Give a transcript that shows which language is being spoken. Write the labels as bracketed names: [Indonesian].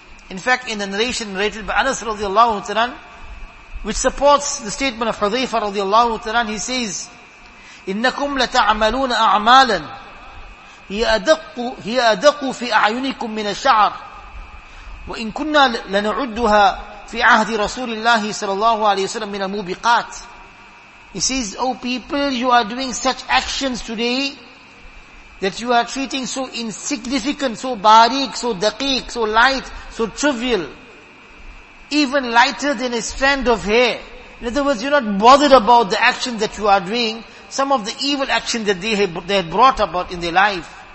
[English] In fact, in the narration narrated by Anas radiallahu ta'ala, which supports the statement of Hudhayfa radiallahu ta'ala, he says, [Arabic] إِنَّكُمْ لَتَعْمَلُونَ أَعْمَالًا هِيَ أَدَقُّ فِي أَعْيُنِكُمْ مِنَ الشَّعَرِ وَإِن كُنَّا لَنَعُدُّهَا في عهد رسول الله صلى الله عليه وسلم من الموبقات. [English] He says, oh people, you are doing such actions today that you are treating so insignificant, so barik, so daqiq, so light, so trivial, even lighter than a strand of hair. In other words, you're not bothered about the actions that you are doing, some of the evil actions that they had brought about in their life.